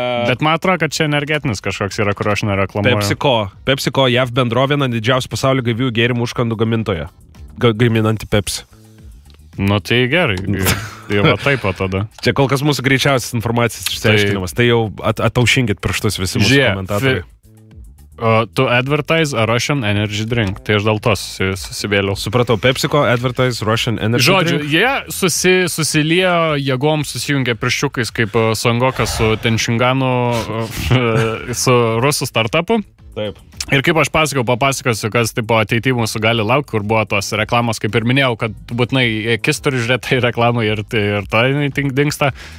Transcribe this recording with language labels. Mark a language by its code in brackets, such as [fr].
[lt] Bet man atrodo, kad čia energetinis kažkoks yra, kur aš nereklamuoju. Pepsiko. Pepsiko JAV bendrovė, viena didžiausių pasaulio gaivių gėrimų užkandų gamintoje. Gaminanti Pepsi. Nu, tai gerai. Jau va taip o tada. Čia kol kas mūsų greičiausias informacijas išsiaiškinimas. Tai jau ataušinkit pirštus visi mūsų komentatoriai. [en] To advertise a Russian energy drink. [lt] Tai aš dėl to susivėliau. Supratau, [en] PepsiCo advertise Russian energy drink. [lt] Žodžiu, jie susilijo jėgom, susijungė pirščiukais kaip Songokas su Tenšinganu su rusų startupu. Taip. Ir kaip aš papasakosiu, kas taip ateity mūsų gali laukti, kur buvo tos reklamos, kaip ir minėjau, kad būtinai akis turi žiūrėti į reklamą ir tai dingsta.